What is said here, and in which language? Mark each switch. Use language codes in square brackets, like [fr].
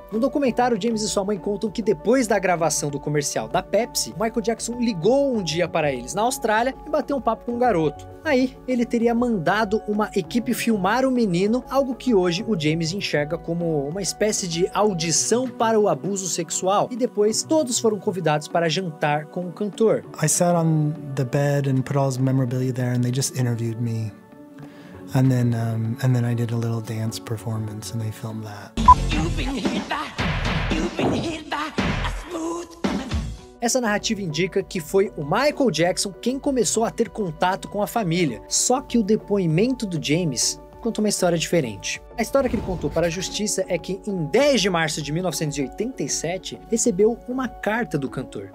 [pt] No documentário, James e sua mãe contam que depois da gravação do comercial da Pepsi, Michael Jackson ligou um dia para eles na Austrália e bateu um papo com um garoto. Aí, ele teria mandado uma equipe filmar o menino, algo que hoje o James enxerga como uma espécie de audição para o abuso sexual, e depois todos foram convidados para jantar com o cantor. [en] I sat on the bed and put all his memorabilia there and they just interviewed me. And then I did a little dance performance and they filmed that. [pt] Essa narrativa indica que foi o Michael Jackson quem começou a ter contato com a família. Só que o depoimento do James conta uma história diferente. A história que ele contou para a justiça é que em 10 de março de 1987, recebeu uma carta do cantor.